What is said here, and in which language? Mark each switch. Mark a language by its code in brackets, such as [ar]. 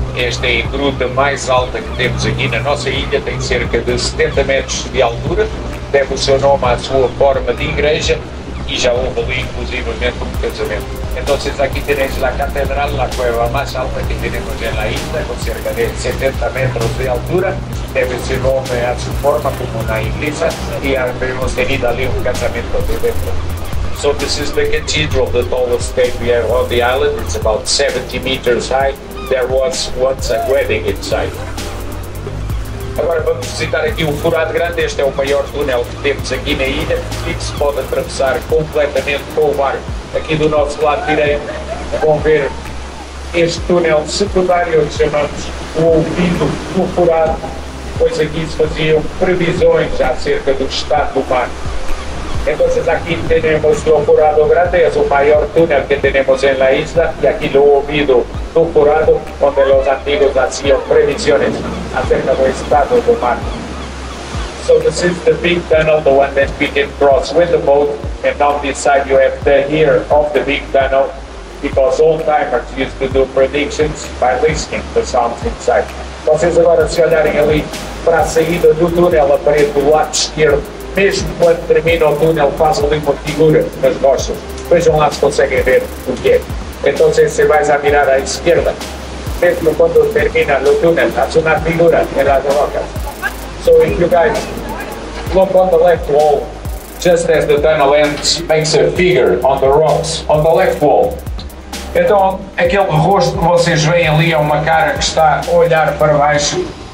[pt] Esta é a gruta mais alta que temos aqui na nossa ilha, tem cerca de 70 metros de altura, deve o seu nome à sua forma de igreja e já houve ali inclusivamente um casamento. Então vocês aqui terem a catedral, a cueva mais alta que temos na ilha, com cerca de 70 metros de altura, deve o seu nome à sua forma como na igreja e [es] havemos tenido [pt] ali um casamento de dentro. [en] So this is the cathedral, the tallest statue on the island. It's about 70 meters high. There was once a wedding inside. [pt] Agora vamos visitar aqui o Furado Grande. Este é o maior túnel que temos aqui na ilha e que se pode atravessar completamente com o barco. Aqui do nosso lado direito vão ver este túnel secundário que chamamos o Ouvido do Furado, pois aqui se faziam previsões acerca do estado do mar. Então aqui temos o Furado Grande, é o maior túnel que temos na isla, e aqui o Ouvido do Furado, onde os antigos faziam previsões acerca do estado do mar. [en] So this is the big tunnel, the one that we can cross with the boat, and on this side you have the ear of the big tunnel, because old timers used to do predictions by listening to the sounds inside. [pt] Vocês agora, se olharem ali para a saída do túnel, aparece do lado esquerdo, mesmo quando termina o túnel, faz ali uma figura nas rochas. Vejam lá se conseguem ver o que é. Então, se você vai a mirar à esquerda, mesmo quando termina o túnel, faz uma figura nas rochas. [en] So, if you guys look on the left wall, just as the tunnel ends, makes a figure on the rocks, on the left wall. [pt] Então, aquele rosto que vocês veem ali é uma cara que está a olhar para baixo.